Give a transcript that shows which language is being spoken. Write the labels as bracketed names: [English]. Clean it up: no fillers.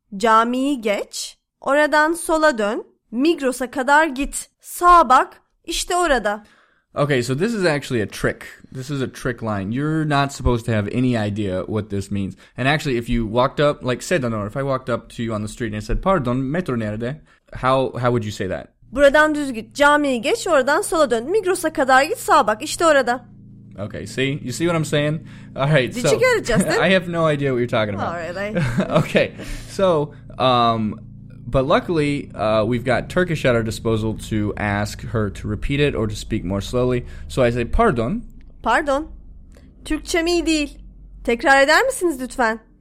[Turkish] Camiyi geç, oradan sola dön, Migros'a kadar git, sağa bak, işte orada. [English] Okay, so this is actually a trick. This is a trick line. You're not supposed to have any idea what this means. And actually, if you walked up, like Sedanor, if I walked up to you on the street and I said, pardon, [Turkish] metro nerede? [English] How would you say that? [Turkish] Buradan düz git, camiyi geç, oradan sola dön, Migros'a kadar git, sağa bak, işte orada. [English] Okay, see? You see what I'm saying? All right, did you get it, Justin? I have no idea what you're talking about. All right. Okay, so, but luckily, we've got Turkish at our disposal to ask her to repeat it or to speak more slowly. So I say, pardon. [Turkish] Pardon. Türkçem iyi değil. Tekrar eder misiniz lütfen?